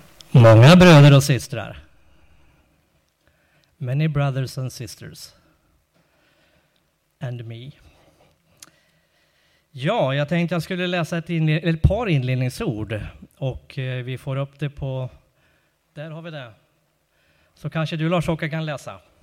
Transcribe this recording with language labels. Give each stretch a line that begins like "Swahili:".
Swedish: Många bröder och systrar.
English: Many brothers and sisters. And me.
Swedish: Ja, jag tänkte jag skulle läsa ett par inledningsord. Och vi får upp det på... Där har vi det. Så kanske du, Lars-Åke, kan läsa.